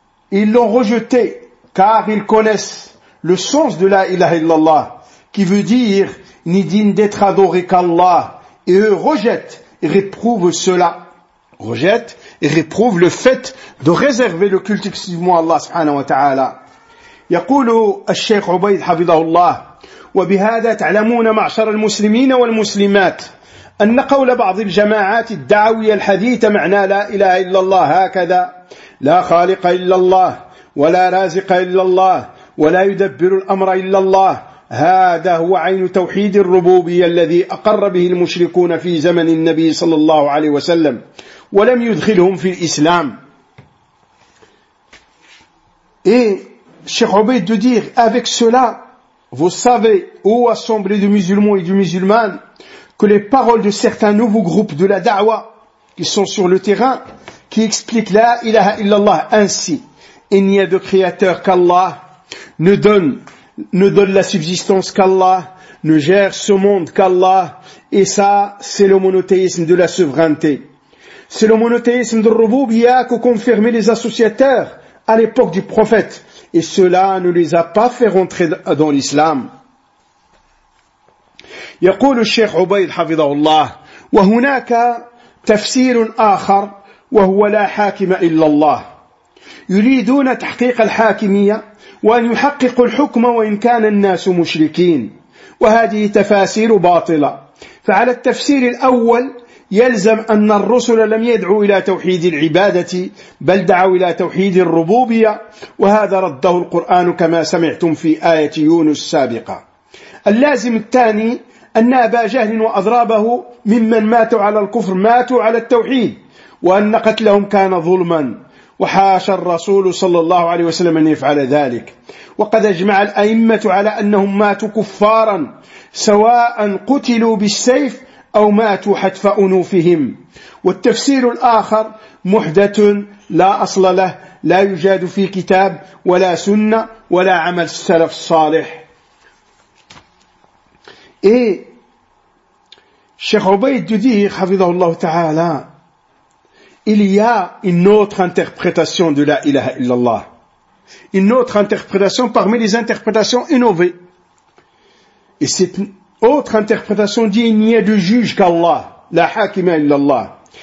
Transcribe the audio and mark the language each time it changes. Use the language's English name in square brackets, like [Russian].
[French] Ils l'ont rejeté car ils connaissent le sens de la ilaha illallah, qui veut dire ni digne d'être adoré qu'Allah, et eux rejettent et réprouvent cela. Rejettent et réprouvent le fait de réserver le culte exclusivement à Allah subhanahu wa ta'ala. [Arabic] يقول الشيخ عبيد حفظه الله وبهذا تعلمون معشر المسلمين والمسلمات أن قول بعض الجماعات الدعوية الحديثة معنى لا إله إلا الله هكذا: لا خالق إلا الله ولا رازق إلا الله ولا يدبر الأمر إلا الله، هذا هو عين توحيد الربوبية الذي أقر به المشركون في زمن النبي صلى الله عليه وسلم ولم يدخلهم في الإسلام. [French] Et Cheikh Obeid de dire, avec cela, vous savez, ô assemblée de musulmans et de musulmanes, que les paroles de certains nouveaux groupes de la da'wa qui sont sur le terrain, qui expliquent la ilaha illallah ainsi: il n'y a de créateur qu'Allah, ne donne la subsistance qu'Allah, ne gère ce monde qu'Allah, et ça, c'est le monothéisme de la souveraineté. C'est le monothéisme de Rububiya que confirmaient les associateurs à l'époque du prophète, et cela ne les a pas fait rentrer dans l'islam. [Arabic] يقول الشيخ عبيد حفظه الله وهناك تفسير آخر وهو لا حاكم إلا الله يريدون تحقيق الحاكمية وأن يحقق الحكم وإن كان الناس مشركين، وهذه تفاسير باطلة. فعلى التفسير الأول يلزم أن الرسل لم يدعوا إلى توحيد العبادة بل دعوا إلى توحيد الربوبية، وهذا رده القرآن كما سمعتم في آية يونس السابقة. اللازم الثاني أن أبا جهل وأضرابه ممن ماتوا على الكفر ماتوا على التوحيد، وأن قتلهم كان ظلما وحاش الرسول صلى الله عليه وسلم أن يفعل ذلك، وقد أجمع الأئمة على أنهم ماتوا كفارا سواء قتلوا بالسيف أو ماتوا حتف أنوفهم. والتفسير الآخر محدث لا أصل له، لا يوجد في كتاب ولا سنة ولا عمل السلف الصالح. إيه شيخ عبيد الدديق حفظه الله تعالى، [French] il y a une autre interprétation de la ilaha illallah. Une autre interprétation parmi les interprétations innovées. Et cette autre interprétation dit, il n'y a de juge qu'Allah. La hakima illallah.